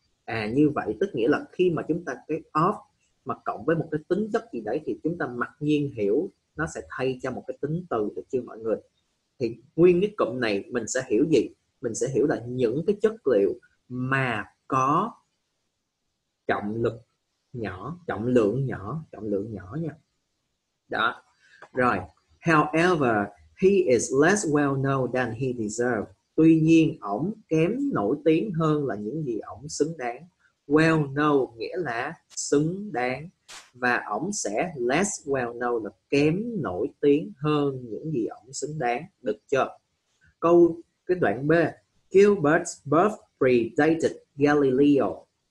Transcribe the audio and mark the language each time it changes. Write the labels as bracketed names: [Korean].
[Vietnamese] À như vậy tức nghĩa là khi mà chúng ta cái of mà cộng với một cái tính chất gì đấy thì chúng ta mặc nhiên hiểu nó sẽ thay cho một cái tính từ, được chưa mọi người? Thì nguyên cái cụm này mình sẽ hiểu gì? Mình sẽ hiểu là những cái chất liệu mà có trọng lực nhỏ, trọng lượng nhỏ, trọng lượng nhỏ nha. Đó. [English] Rồi, however, he is less well known than he deserves. [Vietnamese] Tuy nhiên, ổng kém nổi tiếng hơn là những gì ổng xứng đáng. Well known nghĩa là xứng đáng. Và ổng sẽ less well known là kém nổi tiếng hơn những gì ổng xứng đáng. Được chưa? Câu, cái đoạn B. [English] Gilbert's birth predated Galileo.